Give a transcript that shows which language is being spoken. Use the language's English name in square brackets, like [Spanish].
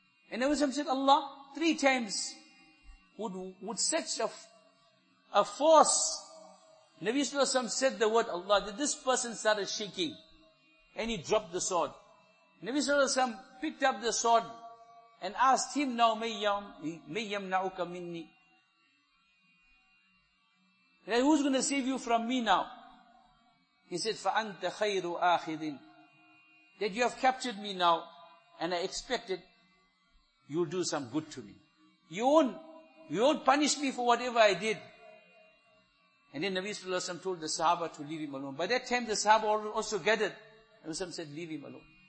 [English] And Nabi Sallam said, "Allah." Three times. Would such a force, Nabi Sallallahu Alaihi Wasallam said the word Allah, that this person started shaking, and he dropped the sword. Nabi Sallallahu Alaihi Wasallam picked up the sword, and asked him now, [Arabic] may yam na'uka minni? [English] Then who's going to save you from me now? He said, [Arabic] فَأَنْتَ خَيْرُ أَخِذٍ. [English] That you have captured me now, and I expected you'll do some good to me. You won't punish me for whatever I did. And then Nabi Sallallahu Alaihi Wasallam told the Sahaba to leave him alone. By that time the Sahaba also gathered. Nabi Sallam said, leave him alone.